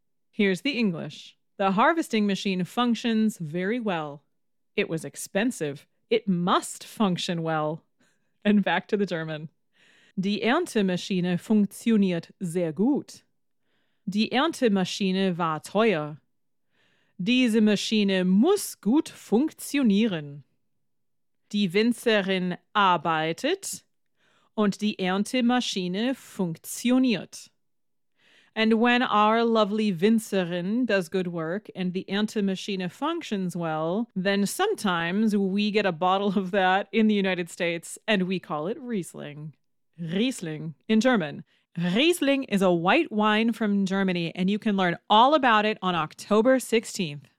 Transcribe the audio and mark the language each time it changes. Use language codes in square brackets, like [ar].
[en] Here's the English. The harvesting machine functions very well. It was expensive. It must function well. And back to the German. [de] Die Erntemaschine funktioniert sehr gut. Die Erntemaschine war teuer. Diese Maschine muss gut funktionieren. Die Winzerin arbeitet. Und die Erntemaschine funktioniert. [en] And when our lovely Winzerin does good work and the Erntemaschine functions well, then sometimes we get a bottle of that in the United States and we call it Riesling. Riesling in German. Riesling is a white wine from Germany and you can learn all about it on October 16th.